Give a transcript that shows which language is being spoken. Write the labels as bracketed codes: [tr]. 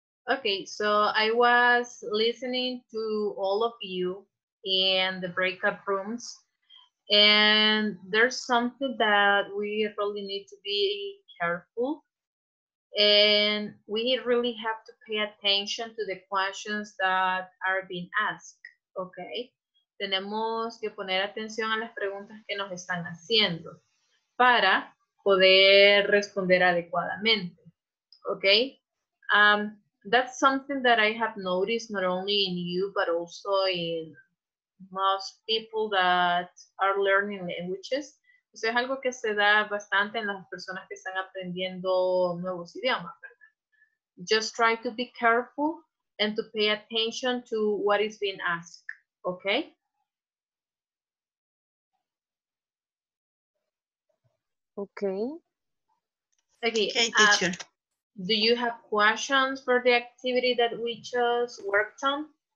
[en] Okay, so I was listening to all of you in the breakout rooms, and there's something that we really need to be careful, and we really have to pay attention to the questions that are being asked, okay? [es] Tenemos que poner atención a las preguntas que nos están haciendo para poder responder adecuadamente, okay? [en] That's something that I have noticed not only in you, but also in most people that are learning languages. [es] O sea, es algo que se da bastante en las personas que están aprendiendo nuevos idiomas, ¿verdad? [en] Just try to be careful and to pay attention to what is being asked, okay? Okay. Okay. Okay, teacher. Do you have questions for the activity that we just worked on?